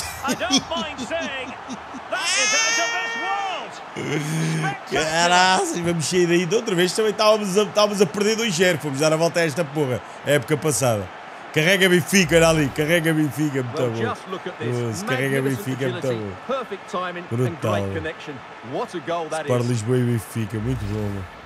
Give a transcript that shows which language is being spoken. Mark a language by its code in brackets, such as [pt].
[en] I don't mind saying. That is out of this world. [pt] Caralho, vamos sair daí de outra vez. Também estávamos a perder 2-0. Fomos dar a volta a esta porra. Época passada. Carrega Benfica, olha ali. Carrega Benfica, muito bom. Carrega Benfica, muito bom. [en] Perfect timing and great connection. What a goal that is. [pt] Para Lisboa e Benfica, muito bom.